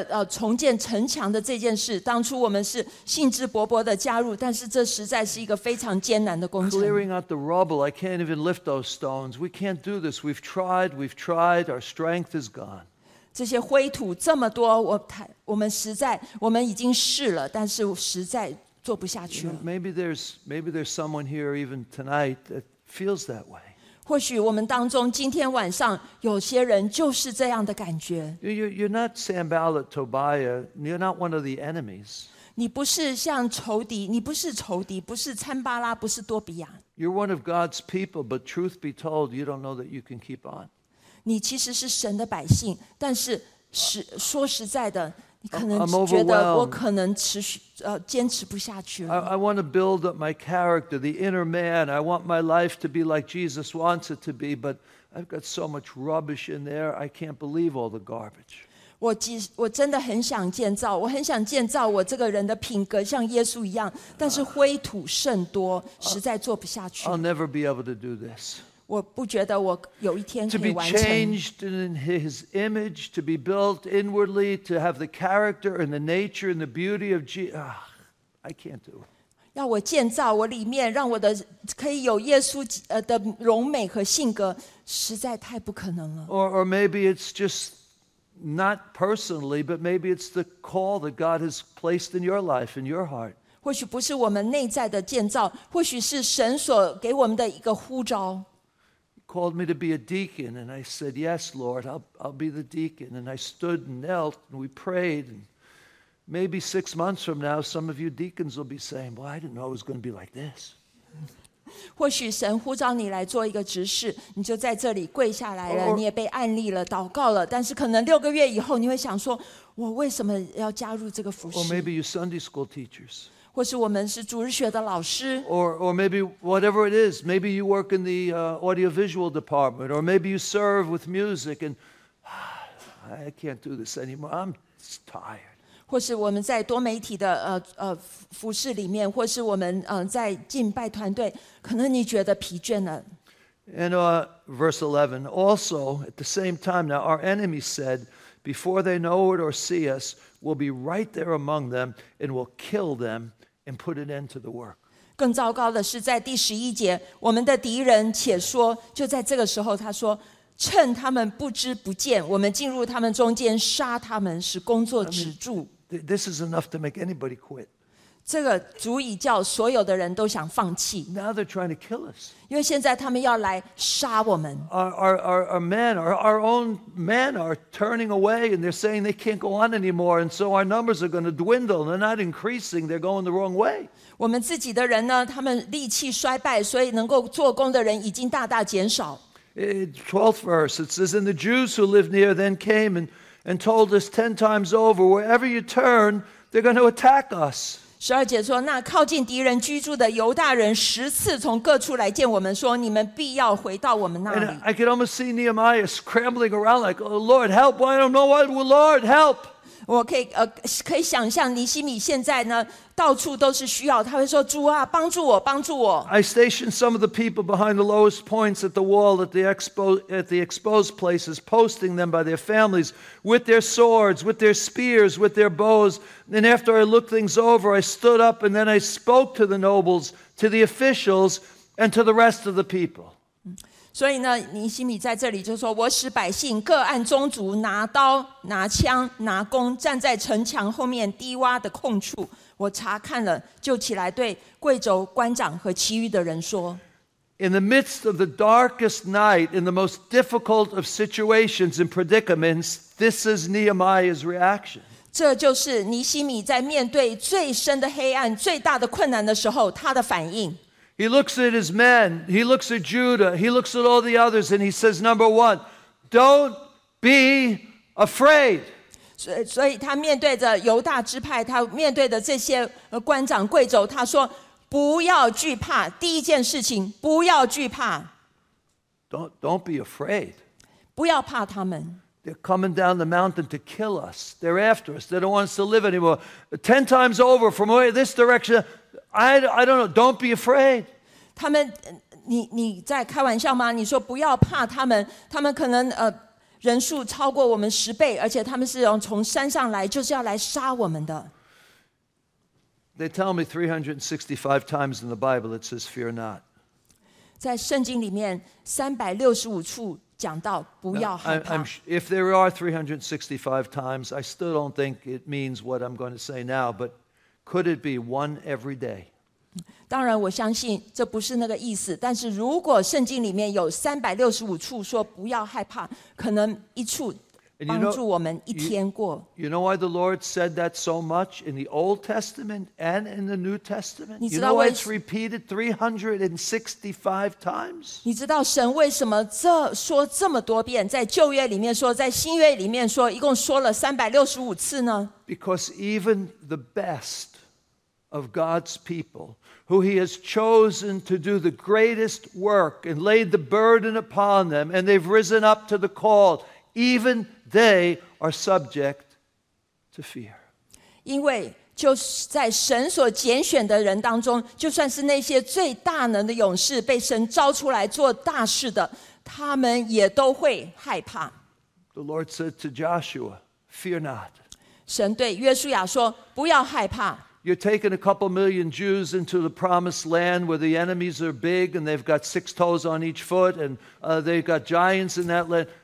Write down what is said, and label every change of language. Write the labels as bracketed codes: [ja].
[zh] 重建城墙的这件事，当初我们是兴致勃勃的加入，但是这实在是一个非常艰难的工程。 [en] Clearing out the rubble, I can't even lift those stones. We can't do this. We've tried. We've tried. Our strength is gone. [zh] 这些灰土这么多，我们已经试了，但是实在。做不下去了。 [en] Maybe there's someone here even tonight that feels that way. [zh] 或许我们当中今天晚上有些人就是这样的感觉。 [en] You're not Sanballat, Tobiah. You're not one of the enemies. [zh] 你不是像仇敌，你不是仇敌，不是参巴拉，不是多比亚。 [en] You're one of God's people, but truth be told, you don't know that you can keep on. [zh] 你其实是神的百姓，但是说实在的。你可能觉得我可能持续坚持不下去了。 [en] I want to build up my character, the inner man. I want my life to be like Jesus wants it to be, but I've got so much rubbish in there. I can't believe all the garbage. [zh] 我真的很想建造，我很想建造我这个人的品格像耶稣一样，但是灰土甚多，实在做不下去。 [en] I'll never be able to do this. [zh] 我不觉得我有一天可以完成。 [en] To be changed in His image, to be built inwardly, to have the character and the nature and the beauty of Jesus, I can't do it. [zh] 要我建造我里面，让我的可以有耶稣的荣美和性格，实在太不可能了。 [en] Or maybe it's just not personally, but maybe it's the call that God has placed in your life, in your heart. [zh] 或许不是我们内在的建造，或许是神所给我们的一个呼召。 [en] Called me to be a deacon, and I said, "Yes, Lord, I'll be the deacon." And I stood and knelt, and we prayed. And maybe 6 months from now, some of you deacons will be saying, "Well, I didn't know it was going to be like this." [zh] 或许神呼召你来做一个执事，你就在这里跪下来了，你也被按立了，祷告了。但是可能六个月以后，你会想说，我为什么要加入这个服事？ [en] Or maybe you Sunday school teachers. [zh] 或是我们是主日学的老师 [en] or maybe whatever it is, maybe you work in the audiovisual department, or maybe you serve with music, and I can't do this anymore, I'm tired. [zh] 或是我们在多媒体的服事里面，或是我们在敬拜团队，可能你觉得疲倦了。 [en] And verse 11, also at the same time, now our enemy said, before they know it or see us, we'll be right there among them and we'll kill them.And put an end to the work. [zh] 更糟糕的是在第十一节，我们的敌人且说，就在这个时候他说，趁他们不知不见，我们进入他们中间杀他们，使工作止住。 [en] This is enough to make anybody quit. [zh] 这个足以叫所有的人都想放弃。 [en] Now they're trying to kill us. [zh] 因为现在他们要来杀我们。 [en] Our own men are turning away and they're saying they can't go on anymore. And so our numbers are going to dwindle. They're not increasing. They're going the wrong way. [zh] 我们自己的人呢，他们力气衰败，所以能够做工的人已经大大减少。 [en] 12th verse, it says, And the Jews who lived near then came and told us 10 times over, wherever you turn, they're going to attack us. [zh] 12节说，那靠近敌人居住的犹大人10次从各处来见我们，说你们必要回到我们那里。 [en] And I could almost see Nehemiah scrambling around like, Oh Lord, help, I don't know what, Lord, help. [zh] 我可以想象尼希米现在呢，到处都是需要，他会说，主啊，帮助我，帮助我。 [en] I stationed some of the people behind the lowest points at the wall at the exposed places, posting them by their families with their swords, with their spears, with their bows. And after I looked things over, I stood up and then I spoke to the nobles, to the officials, and to the rest of the people. [zh] 所以呢，尼希米在这里就说，我使百姓各按宗族拿刀、拿枪、拿弓，站在城墙后面低洼的空处。我查看了，就起来对贵族官长和其余的人说。 [en] In the midst of the darkest night, in the most difficult of situations and predicaments, this is Nehemiah's reaction. [zh] 这就是尼希米在面对最深的黑暗、最大的困难的时候，他的反应。 [en] He looks at his men, he looks at Judah, he looks at all the others, and he says, number one, don't be afraid. [zh] 所以他面对着犹大支派，他面对着这些官长贵族，他说，不要惧怕，第一件事情，不要惧怕。 [en] Don't be afraid. [zh] 不要怕他们。 [en] They're coming down the mountain to kill us. They're after us. They don't want us to live anymore. 10 times over from this direction, I don't know. Don't be afraid. [zh] 他们，你在开玩笑吗？你说不要怕他们。他们可能人数超过我们10倍，而且他们是从山上来，就是要来杀我们的。 [en] They tell me 365 times in the Bible it says fear not. [zh] 在圣经里面365处。讲到不要害怕。 [en] If there are 365 times, I still don't think it means what I'm going to say now, but could it be one every day? [zh] 当然我相信这不是那个意思，但是如果圣经里面有365处说不要害怕，可能一处帮助我们一天过。 [en] You know why the Lord said that so much in the Old Testament and in the New Testament? [zh] 你知道 [en] why it's repeated 365 times? [zh] 你知道神为什么这说这么多遍，在旧约里面说，在新约里面说，一共说了365次呢？ [en] Because even the best of God's people, who He has chosen to do the greatest work and laid the burden upon them, and they've risen up to the call, even They are subject to fear. [zh] 因为就是在神所拣选的人当中，就算是那些最大能的勇士，被神召出来做大事的，他们也都会害怕。 [en] The Lord said to Joshua, "Fear not." [zh] 神对约书亚说，不要害怕。 [en] You're taking a couple million Jews into the promised land where the enemies are big and they've got 6 toes on each foot and they've got giants in that land.